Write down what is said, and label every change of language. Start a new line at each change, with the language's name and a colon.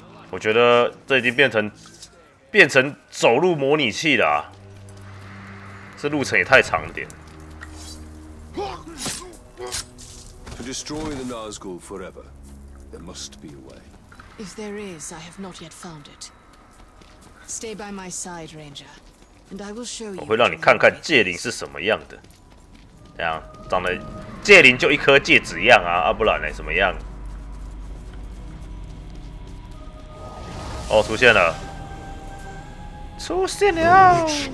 Chinese: 我觉得这已经变成走路模拟器了、啊，这路程也太长了点。
English: To destroy the Nazgul forever, there must be a way. If there is, I have not yet found it. Stay by my side, Ranger, and I will show you.
Chinese: 我会让你看看戒灵是什么样的，怎样长得戒灵就一颗戒指一样啊？啊，不然呢，怎么样？哦，出现了，出现了！